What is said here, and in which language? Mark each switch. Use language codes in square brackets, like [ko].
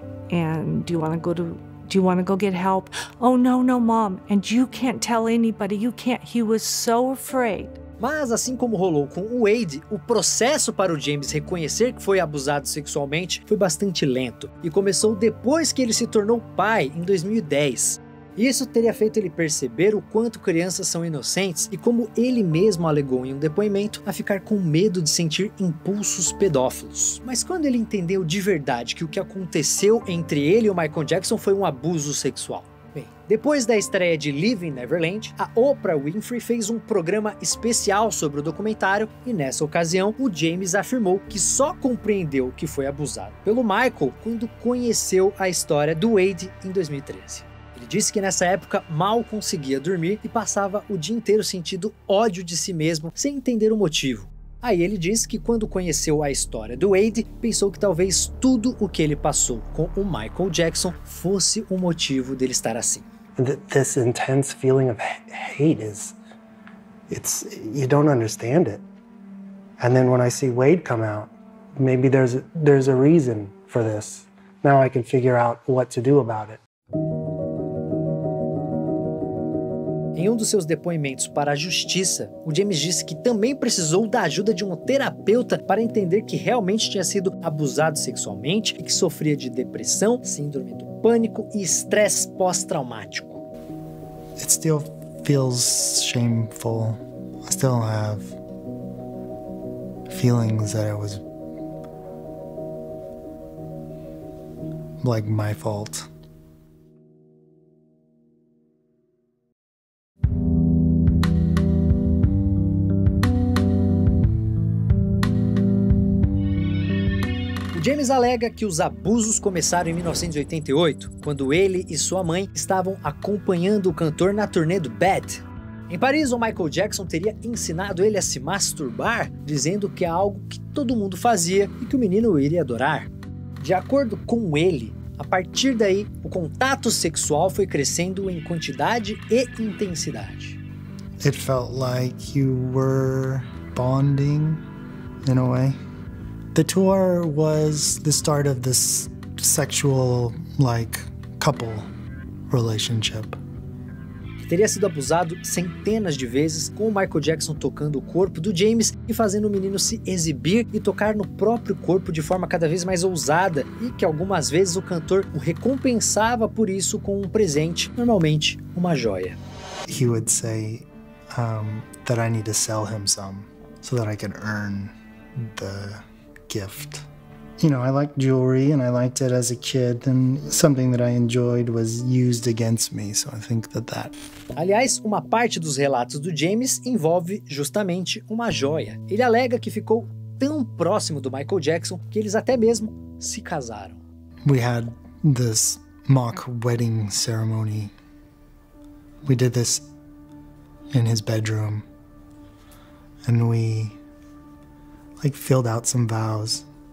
[en] And do you want to go get help? Oh no, no, mom. And you can't tell anybody. You can't. He was so afraid. [pt] Mas assim como rolou com o Wade, o processo para o James reconhecer que foi abusado sexualmente foi bastante lento e começou depois que ele se tornou pai, em 2010. Isso teria feito ele perceber o quanto crianças são inocentes e como ele mesmo alegou em um depoimento a ficar com medo de sentir impulsos pedófilos. Mas quando ele entendeu de verdade que o que aconteceu entre ele e o Michael Jackson foi um abuso sexual? Bem, depois da estreia de Leaving Neverland, a Oprah Winfrey fez um programa especial sobre o documentário e nessa ocasião, o James afirmou que só compreendeu que foi abusado pelo Michael quando conheceu a história do Wade em 2013. Ele disse que nessa época mal conseguia dormir e passava o dia inteiro sentindo ódio de si mesmo, sem entender o motivo. Aí ele diz que quando conheceu a história do Wade, pensou que talvez tudo o que ele passou com o Michael Jackson fosse o motivo dele estar assim. [en] This intense feeling of hate is, it's, you don't understand it. And then when I see Wade come out, maybe there's a reason for this. Now I can figure out what to do about it. [pt] Em um dos seus depoimentos para a justiça, o James disse que também precisou da ajuda de um terapeuta para entender que realmente tinha sido abusado sexualmente e que sofria de depressão, síndrome do pânico e estresse pós-traumático. [en] It still feels shameful. I still have feelings that it was like my fault. [pt] James alega que os abusos começaram em 1988, quando ele e sua mãe estavam acompanhando o cantor na turnê do Bad. Em Paris, o Michael Jackson teria ensinado ele a se masturbar, dizendo que é algo que todo mundo fazia e que o menino iria adorar. De acordo com ele, a partir daí, o contato sexual foi crescendo em quantidade e intensidade. [en] It felt like you were bonding, in a way. The tour was the start of this sexual, like, couple relationship. [pt] Teria sido abusado centenas de vezes com o Michael Jackson tocando o corpo do James e fazendo o menino se exibir e tocar no próprio corpo de forma cada vez mais ousada e que algumas vezes o cantor o recompensava por isso com um presente, normalmente uma joia. [en] He would say that I need to sell him some so that I can earn the gift. You know, I liked jewelry and I liked it as a kid, and something that I enjoyed was used against me, so I think that. [pt] Aliás, uma parte dos relatos do James envolve justamente uma joia. Ele alega que ficou tão próximo do Michael Jackson que eles até mesmo se casaram. [en] We had this mock wedding ceremony. We did this in his bedroom. And we filled out some vows.